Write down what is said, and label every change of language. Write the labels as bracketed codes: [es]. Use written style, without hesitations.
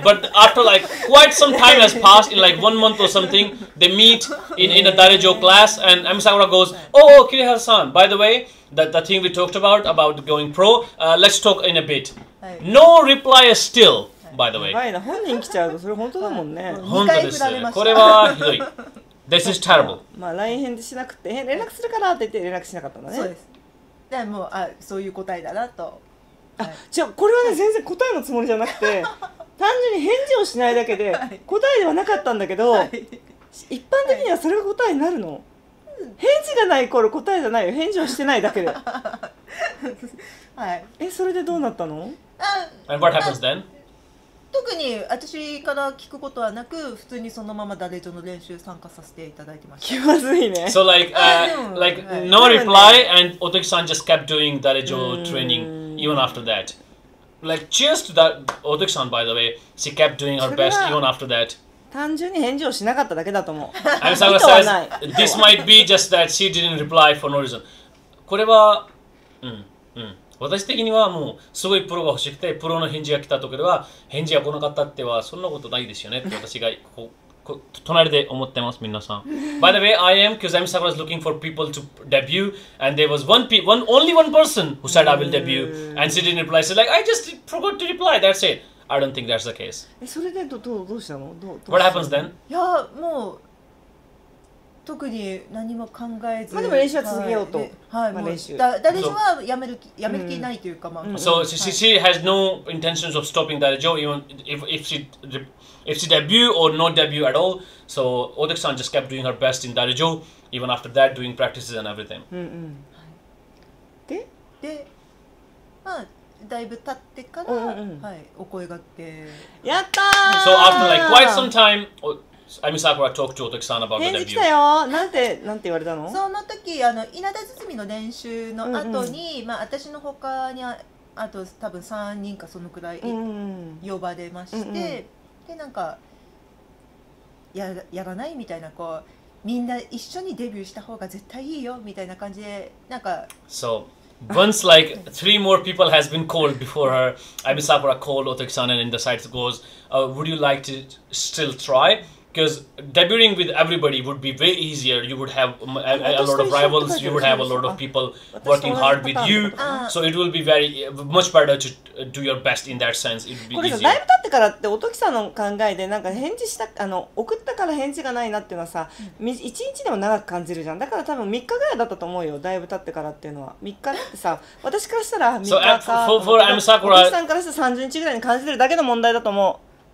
[en] But after like, quite some time has passed, in like one month or something, they meet in a Darejo class, and Ami Sakura goes, oh, Kirihara-san, by the way,The thing we talked about going pro, let's talk in a bit.、 [ja] はい、 [en] no reply still,、は [ja] い、 [en] by the way. [ja] やばいな、本人来ちゃうとそれ本当だもんね。本当です。これはひどい。 [en] This is terrible. [ja] まあ、LINE 返事しなくて、連絡するからって言って連絡しなかったんだね。そうです。でもあ、そういう答えだなと。あ、じゃあこれはね、全然答えのつもりじゃなくて、単純に返事をしないだけで、答えではなかったんだけど、はい、一般的にはそれが答えになるの、はい返事がないイコール答えじゃないよ。返事をしてないだけで。はい、え、それでどうなったの？あ、 [en] And what happens then? [ja] 特に私から聞くことはなく、普通にそのままダレジョの練習参加させていただいてました。気まずいね。 [en] So like, like no reply and Otoki-san just kept doing ダレジョ training even after that. Like cheers to that Otoki-san by the way, she kept doing her best even after that. [ja] 単純に返事をしなかっただけだと思う。 [en] Ami Sakura says, this might be just that she didn't reply for no reason. [ja] これは、うん、うん。私的にはもう、すごいプロが欲しくて、プロの返事が来たときでは、返事が来なかったっては、そんなことないですよねって私がこ隣で思ってます、皆さん。 [en] By the way, I am, because Ami Sakura is looking for people to debut, and there was only one person who said I will debut, and she didn't reply. She's like, I just forgot to reply, that's it. I don't think that's the case. [ja] それでどうしたの？どうしたの？ [en] What happens then? [ja] いや、もう特に何も考えず、まあ、でも練習は続けようと、はい、まあ、練習だ、誰しもはやめる気ないというか、まあ、 [en] So she has no intentions of stopping that job even if she debut or not debut at all. So Odeksan just kept doing her best in that job even after that doing practices and everything. [ja] で、まあだいぶ経ってから、はい、お声がけやったー。 [en] So after like quite some time, Ami Sakura talked to Odeksan about the debut. [ja] 返事来たよ。なんて言われたの？その時稲田堤の練習の後に、まあ私の他にあと多分3人かそのくらい呼ばれまして、でなんかやらないみたいな、こうみんな一緒にデビューした方が絶対いいよみたいな感じでなんか。 [en] So. Once like three more people has been called before her, Ami Sakura called Odeksan and decides to go, would you like to still try? Because debuting with everybody would be way easier. You would have a lot of rivals, you would have a lot of people working hard with you. So it will be very much better to do your best in that sense. It would be easier. [ja] だいぶ経ってからって、Odeksan の考えでなんか返事した、送ったから返事がないなっていうのはさ、1日でも長く感じるじゃん。だから多分3日ぐらいだったと思うよ、だいぶ経ってからっていうのは。3日ってさ、私からしたら3日か、 [en] for Ami Sakura, [ja] Odeksan からしたら30日ぐらいに感じてるだけの問題だと思う。